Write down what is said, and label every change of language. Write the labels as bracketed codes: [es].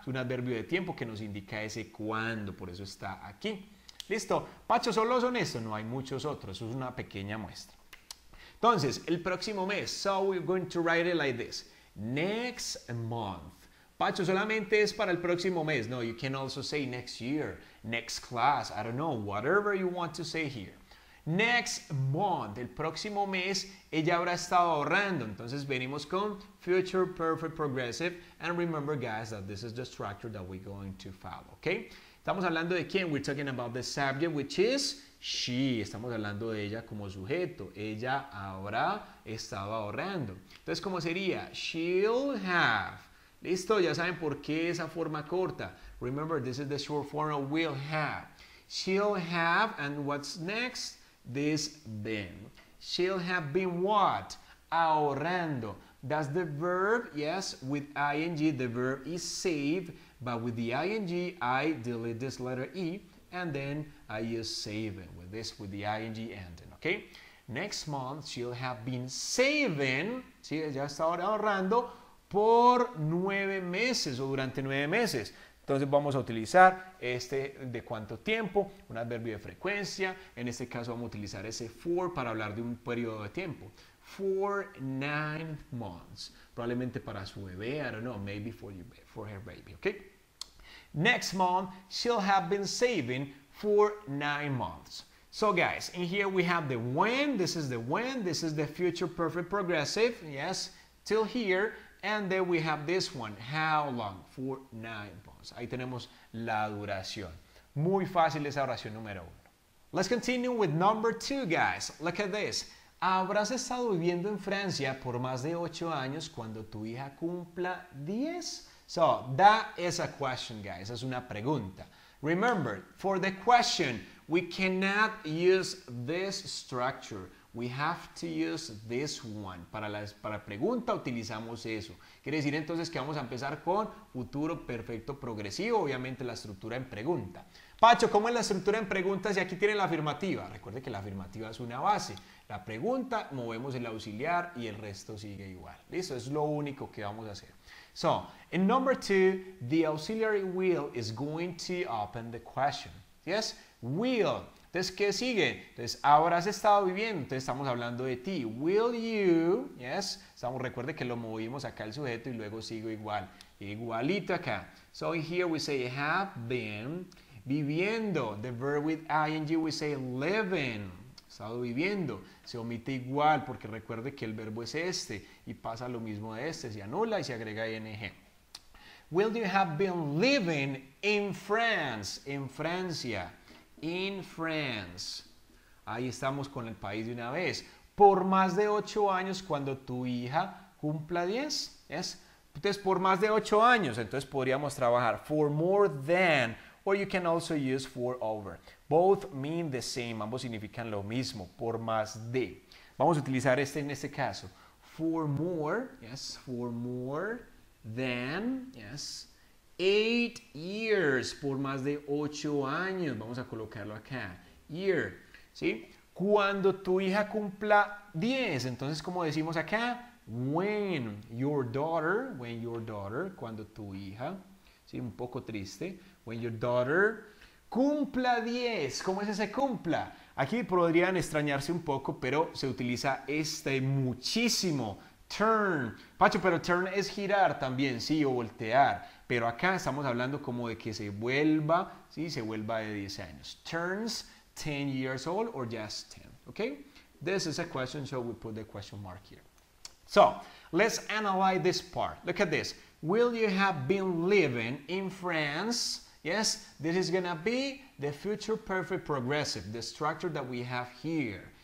[es] Es un adverbio de tiempo que nos indica ese cuándo. Por eso está aquí. ¿Listo? Pacho, ¿solo son estos? No hay muchos otros. Eso es una pequeña muestra. Entonces, el próximo mes. [en] So we're going to write it like this. Next month. Pacho, [es] solamente es para el próximo mes. [en] No, you can also say next year, next class, I don't know, whatever you want to say here. Next month, [es] el próximo mes, ella habrá estado ahorrando. Entonces, venimos con future perfect progressive. [en] And remember, guys, that this is the structure that we're going to follow, okay? [es] Estamos hablando de quién? [en] We're talking about the subject, which is she. [es] Estamos hablando de ella como sujeto. Ella habrá estado ahorrando. Entonces, ¿cómo sería? [en] She'll have. [es] ¿Listo? Ya saben por qué esa forma corta. [en] Remember, this is the short form of will have. She'll have, and what's next? This been. She'll have been what? Ahorrando. That's the verb, yes, with ing. The verb is save, but with the ing, I delete this letter E, and then I use saving with this, with the ing ending, okay? Next month, she'll have been saving. [es] Sí, ya está ahorrando. Por 9 meses o durante 9 meses. Entonces vamos a utilizar este de cuánto tiempo, un adverbio de frecuencia. En este caso vamos a utilizar ese for para hablar de un periodo de tiempo. [en] For 9 months. [es] Probablemente para su bebé, [en] I don't know, maybe for your, for her baby, okay? Next month, she'll have been saving for 9 months. So guys, in here we have the when. This is the when. This is the future perfect progressive. Yes, till here. And then we have this one, how long, for 9 months. [es] Ahí tenemos la duración. Muy fácil esa oración número uno. [en] Let's continue with number two, guys. Look at this. [es] Habrás estado viviendo en Francia por más de 8 años cuando tu hija cumpla 10. [en] So, that is a question, guys. [es] Es una pregunta. [en] Remember, for the question, we cannot use this structure. We have to use this one. [es] Para pregunta utilizamos eso. Quiere decir entonces que vamos a empezar con futuro perfecto progresivo. Obviamente la estructura en pregunta. Pacho, ¿cómo es la estructura en pregunta si aquí tiene la afirmativa? Recuerde que la afirmativa es una base. La pregunta, movemos el auxiliar y el resto sigue igual. Listo, es lo único que vamos a hacer. [en] So, in number two, the auxiliary will is going to open the question. Yes, will. [es] Entonces, ¿qué sigue? Entonces, habrás estado viviendo. Entonces, estamos hablando de ti. [en] Will you? Yes. [es] Estamos, recuerde que lo movimos acá el sujeto y luego sigo igual. Igualito acá. [en] So, here we say have been viviendo. The verb with ing we say living. [es] Estado viviendo. Se omite igual porque recuerde que el verbo es este. Y pasa lo mismo de este. Se anula y se agrega ing. [en] Will you have been living in France? [es] En Francia. [en] In France. [es] Ahí estamos con el país de una vez. Por más de 8 años cuando tu hija cumpla 10. Yes. Entonces, por más de 8 años. Entonces, podríamos trabajar for more than. [en] Or you can also use for over. Both mean the same. [es] Ambos significan lo mismo. Por más de. Vamos a utilizar este en este caso. [en] For more. Yes. For more than. Yes. 8 years, [es] por más de 8 años. Vamos a colocarlo acá. Year, ¿sí? Cuando tu hija cumpla 10. Entonces, como decimos acá, [en] when your daughter, when your daughter, [es] cuando tu hija, ¿sí? Un poco triste. [en] When your daughter [es] cumpla 10. ¿Cómo es ese cumpla? Aquí podrían extrañarse un poco, pero se utiliza este muchísimo. Turn. Pacho, pero turn es girar también, sí, o voltear. Pero acá estamos hablando como de que se vuelva, ¿sí? Se vuelva de 10 años. [en] Turns 10 years old or just 10, okay? This is a question, so we put the question mark here. So, let's analyze this part. Look at this. Will you have been living in France? Yes, this is gonna be the future perfect progressive, the structure that we have here.